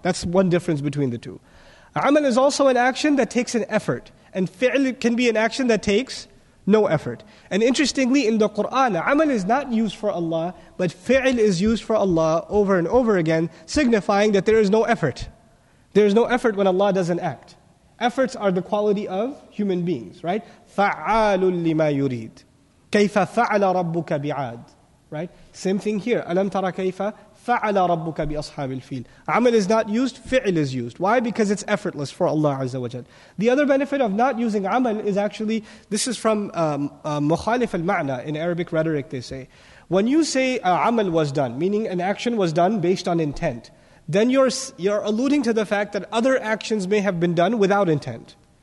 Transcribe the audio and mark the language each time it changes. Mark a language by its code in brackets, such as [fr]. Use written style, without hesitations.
[en] That's one difference between the two. Amal is also an action that takes an effort, and fi'l can be an action that takes no effort. And interestingly, in the Qur'an, amal is not used for Allah, but fi'l is used for Allah over and over again, signifying that there is no effort. There is no effort when Allah doesn't act. Efforts are the quality of human beings, right? [ar] فَعَالٌ لِمَا يُرِيد كَيْفَ فَعَلَ رَبُّكَ بِعَاد [en] Right? Same thing here. [ar] أَلَمْ تَرَ كَيْفَ فَعَلَ رَبُّكَ بِأَصْحَابِ الْفِيلِ [en] Amal is not used, fi'l is used. Why? Because it's effortless for Allah Azza wa Jal. The other benefit of not using amal is actually, this is from مُخَالِف al-ma'na. In Arabic rhetoric they say. When you say amal was done, meaning an action was done based on intent, then you're alluding to the fact that other actions may have been done without intent.